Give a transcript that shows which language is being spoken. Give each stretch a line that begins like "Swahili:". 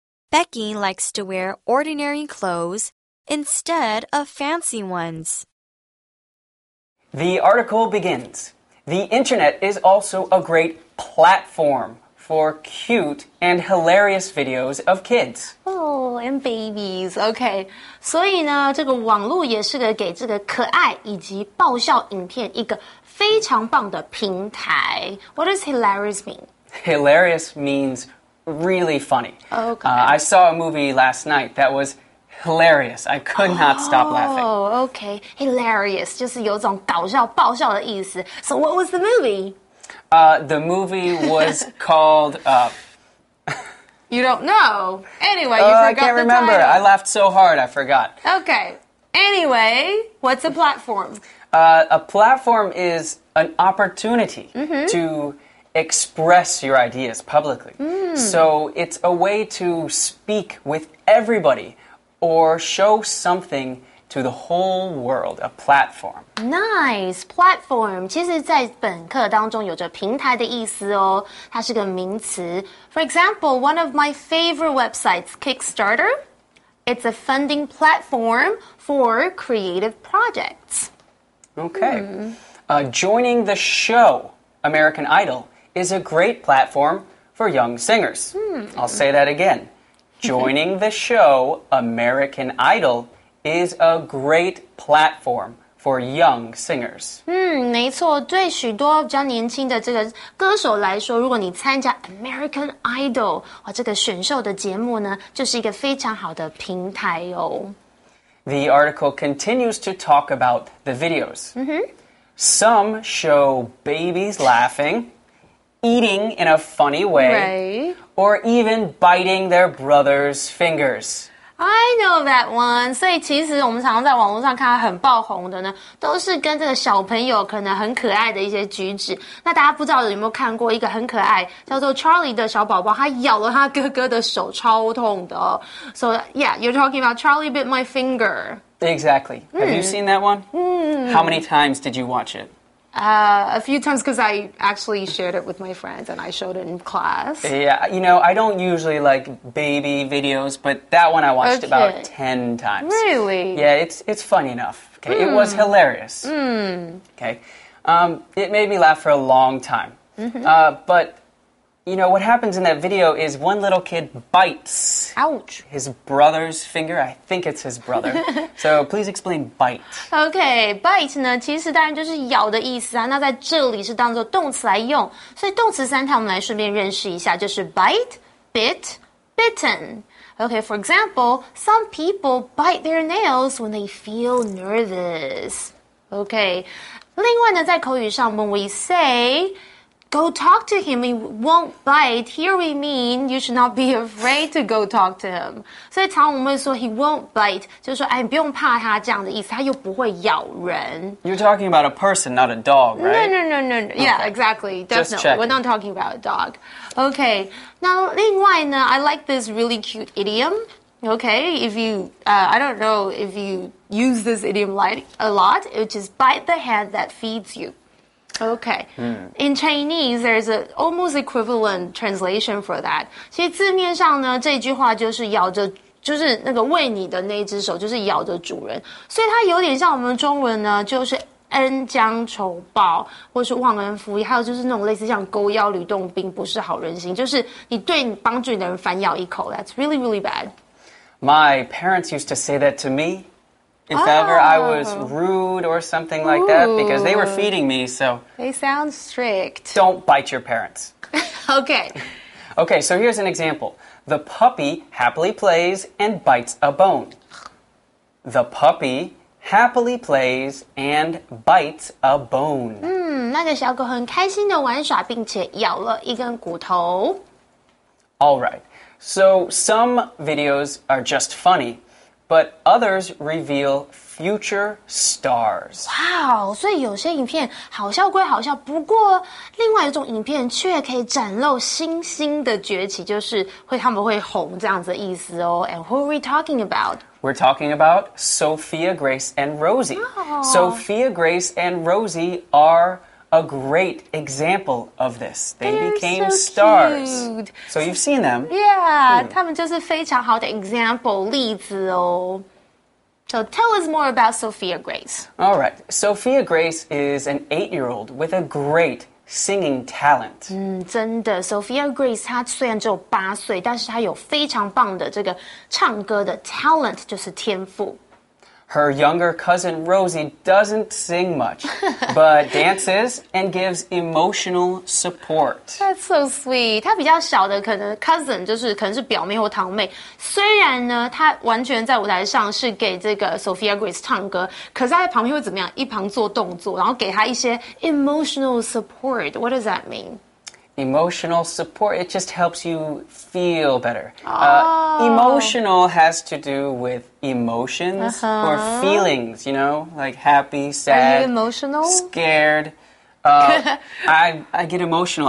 English: Becky likes to wear ordinary clothes instead of fancy ones. The article begins. The internet is also a great platform for cute and hilarious videos of kids. Oh, and babies. Okay.
Chinese: 所以呢，这个网络也是个给这个可爱以及爆笑影片一个非常棒的平台。
English: What does hilarious mean? Hilarious means really funny. Okay. I saw a movie last night that was hilarious. I could not stop laughing. Oh, okay.
Chinese: Hilarious 就是有种搞笑爆笑的意思。
English: So what was the movie? The movie was called, You don't know. Anyway, you forgot I can't the remember. Title. I laughed so hard, I forgot. Okay. Anyway, what's a platform? A platform is an opportunity to express your ideas publicly. So it's a way to speak with everybody or show something to the whole world, a platform. Nice, platform.
Chinese: 其实在本课当中有着平台的意思哦，它是个名词。
English: For example, one of my favorite websites, Kickstarter, it's a funding platform for creative projects. Okay. Joining the show, American Idol, is a great platform for young singers. I'll say that again. Joining the show, American Idol, is a great platform for young singers.
Chinese: 没错，对许多比较年轻的这个歌手来说，如果你参加 American Idol, 这个选秀的节目呢，就是一个非常好的平台哦。
English: The article continues to talk about the videos. Some show babies laughing, eating in a funny way, or even biting their brother's fingers. I know that one.
Chinese: 所以其实我们常常在网络上看到很爆红的呢，都是跟这个小朋友可能很可爱的一些举止。那大家不知道有没有看过一个很可爱叫做 Charlie 的小宝宝，他咬了他哥哥的手，超痛的哦。
English: So yeah, you're talking about Charlie bit my finger. Exactly. Have you seen that one? How many times did you watch it? A few times because I actually shared it with my friends and I showed it in class. Yeah, you know, I don't usually like baby videos, but that one I watched about 10 times. Really? Yeah, it's funny enough. Okay, it was hilarious. Okay. It made me laugh for a long time. But, you know, what happens in that video is one little kid bites. Ouch. His brother's finger. I think it's his brother. So please explain bite.
Chinese: Okay, bite 呢其实当然就是咬的意思啊。那在这里是当作动词来用。所以动词三态我们来顺便认识一下，就是 bite, bit, bitten.
English: Okay, for example, some people bite their nails when they feel nervous.
Chinese: Okay, 另外呢在口语上
English: when we say... Go talk to him, he won't bite. Here we mean you should not be afraid to go talk to him.
Chinese: 所以常我们说
English: he won't bite,
Chinese: 就是说哎，不用怕他这样的意思，他又不会咬人。
English: You're talking about a person, not a dog, right? No. Okay. Yeah, exactly. Definitely. Just checking. We're not talking about a dog. Okay.
Chinese: 那另外呢
English: I like this really cute idiom. Okay, if you,I don't know if you use this idiom a lot, which is bite the hand that feeds you. Okay. In Chinese, there's an almost equivalent translation for that.
Chinese: 其实字面上呢，这句话就是咬着，就是那个喂你的那只手，就是咬着主人。所以它有点像我们中文呢，就是恩将仇报，或是忘恩负义，还有就是那种类似像狗咬吕洞宾，不是好人心，就是你对你帮助你的人反咬一口。
English: That's really, really bad. My parents used to say that to me. If ever I was rude or something like that, because they were feeding me, so... They sound strict. Don't bite your parents. Okay. Okay, so here's an example. The puppy happily plays and bites a bone. The puppy... Happily plays and bites a bone.
Chinese: 那个小狗很开心地玩耍并且咬了一根骨头。
English: All right. So some videos are just funny. But others reveal future stars.
Chinese: Wow, 所以有些影片好笑归好笑，不过另外一种影片却可以展露星星的崛起，就是会他们会红这样子的意思哦。
English: And who are we talking about? We're talking about Sophia Grace and Rosie. Sophia Grace and Rosie are... A great example of this. They became so stars.、 Cute. So you've seen them.
Chinese: Yeah, 他们就是非常好的 example, 例子哦。
English: So tell us more about Sophia Grace. All right. Sophia Grace is an 8-year-old with a great singing talent.
Chinese: 真的 ,Sophia Grace 她虽然只有八岁但是她有非常棒的这个唱歌的 talent, 就是天赋。
English: Her younger cousin Rosie doesn't sing much, but dances and gives emotional support. That's so sweet.
Chinese: 她比较小的可能 cousin 就是可能是表妹或堂妹。虽然呢，她完全在舞台上是给这个 Sophia Grace 唱歌，可是她在旁边会怎么样？一旁做动作，然后给她一些 emotional support.
English: What does that mean? Emotional support, it just helps you feel better. Emotional has to do with emotions or feelings, you know, like happy, sad, Are you emotional? scared. I get emotional.